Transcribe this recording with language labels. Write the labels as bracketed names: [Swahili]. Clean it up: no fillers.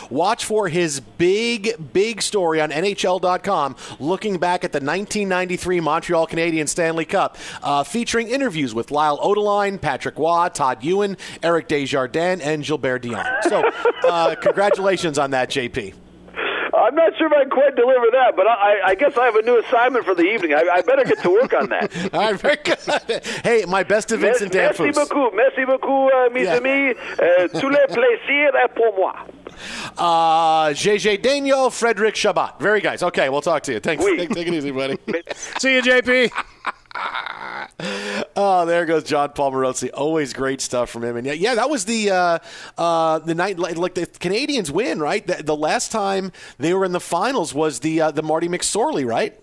[English] Watch for his big, big story on NHL.com, looking back at the 1993 Montreal Canadiens Stanley Cup, featuring interviews with Lyle Odelein, Patrick Waugh, Todd Ewan, Eric Desjardins, and Gilbert Dion. So congratulations on that, JP. I'm not sure if I can quite deliver that, but I guess I have a new assignment for the evening. I better get to work on that. All right, very good. Hey, my best to Vincent Danfus. [French] Merci beaucoup, mes amis. Tout le plaisir est pour moi. [English] JJ Daniel, Frédéric Chabot. Very nice. Okay, we'll talk to you. Thanks. [French] Oui. [English] Take it easy, buddy. See you, JP. Oh, there goes John Paul Morosi. Always great stuff from him. And yeah, that was the night, like the Canadians win, right? The last time they were in the finals was the Marty McSorley, right?